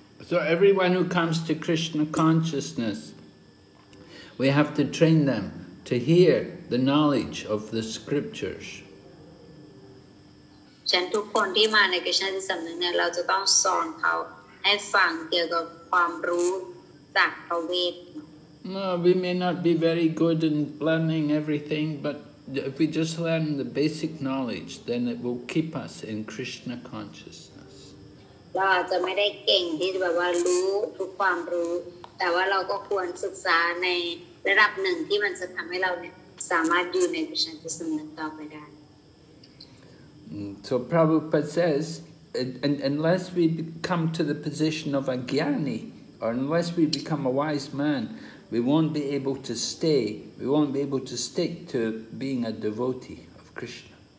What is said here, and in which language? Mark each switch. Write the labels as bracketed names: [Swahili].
[English] So everyone who comes to Krishna consciousness, we have to train them to hear the knowledge of the scriptures. [Thai] ฉันทุกคนที่มาในคริสตจักรสำนึกเนี่ยเราจะต้องสอนเขาให้ฟังเกี่ยวกับความรู้จากพระเวท [English] No, we may not be very good in learning everything, but if we just learn the basic knowledge, then it will keep us in Krishna consciousness. [Thai] เราอาจจะไม่ได้เก่งที่แบบว่ารู้ทุกความรู้แต่ว่าเราก็ควรศึกษาในระดับหนึ่งที่มันจะทำให้เราเนี่ยสามารถอยู่ในคริสตจักรสำนึกต่อไปได้ [English] So Prabhupada says, unless we come to the position of a jnani, or unless we become a wise man, we won't be able to stay, we won't be able to stick to being a devotee of Krishna.